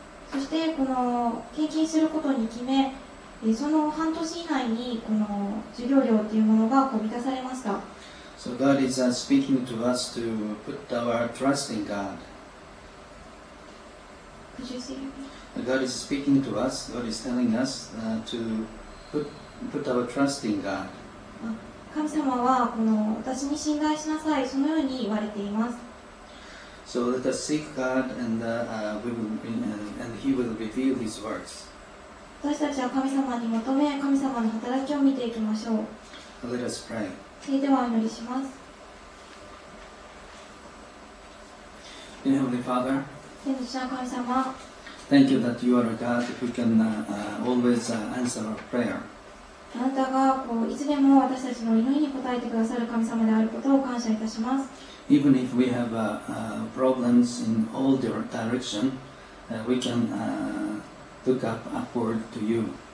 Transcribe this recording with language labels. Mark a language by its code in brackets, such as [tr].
[ja] そしてこの献金することに決め、その半年以内にこの授業料というものが満たされました。 [en] So God is speaking to us to put our trust in God. Could you see? God is speaking to us. God is telling us to put our trust in God. [ja] 神様はこの私に信頼しなさい、そのように言われています。 [en] So let us seek God and, we will be, and He will reveal His works. [ja] 私たちは神様に求め、神様の働きを見ていきましょう。 [en] Let us pray. [ja] それではお祈りします。 [en] Dear Heavenly Father, [ja] 天父上神様、 [en] Thank you that you are a God who can always answer our prayer. [ja] あなたがこういつでも私たちの祈りに応えてくださる神様であることを感謝いたします。 [en] Even if we have problems in all your direction, we can look up upward to you.